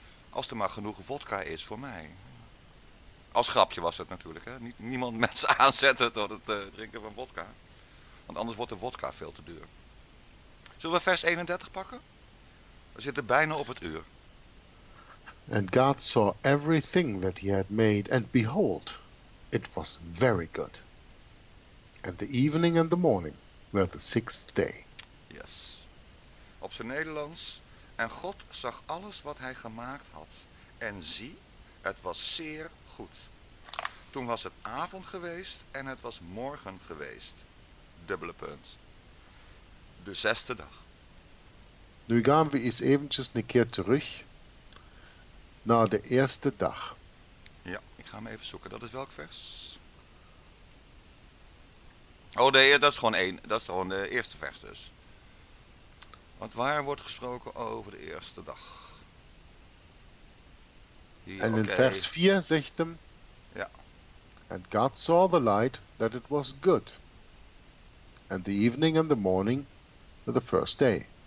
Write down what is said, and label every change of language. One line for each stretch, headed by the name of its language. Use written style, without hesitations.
Dutch: Als er maar genoeg vodka is voor mij. Als grapje was het natuurlijk. Hè? Niemand mensen aanzetten tot het drinken van vodka. Want anders wordt de vodka veel te duur. Zullen we vers 31 pakken? We zitten bijna op het uur.
English: And God saw everything that he had made, and behold, it was very good. And the evening and the morning were the sixth day.
Dutch: Yes. Op zijn Nederlands. En God zag alles wat hij gemaakt had. En zie, het was zeer goed. Toen was het avond geweest en het was morgen geweest. Dubbele punt. De zesde dag. Nu gaan we eens eventjes een keer terug. Na de eerste dag. Ja, ik ga hem even zoeken. Dat is welk vers? Oh nee, dat is gewoon één. Dat is gewoon de eerste vers dus. Want waar wordt gesproken over de eerste dag? En in vers 4 zegt hem. Ja.
English: And God saw the light that it was good. And the evening and the morning were the first day.